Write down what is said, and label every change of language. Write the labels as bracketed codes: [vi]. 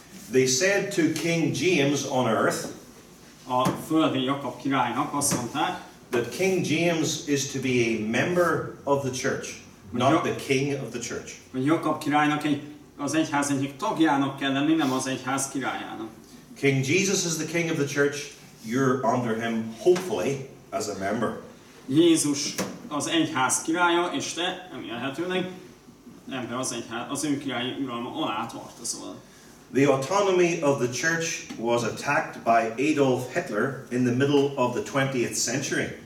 [en] They said to King James on earth, [hu] a földi Jakab királynak azt mondták, [en] that King James is to be a member of the church, not the king of the church. [hu] A Jakab királynak az egyház egyik tagjának kell lenni, nem az egyház királyának. [en] King Jesus is the king of the church, you're under him, hopefully, as a member. [hu] Jézus az egyház királya, és te, remélhetőleg, ember az egyház, az ő királyi uralma alá tartozol. [en] The autonomy of the church was attacked by Adolf Hitler in the middle of the 20th century.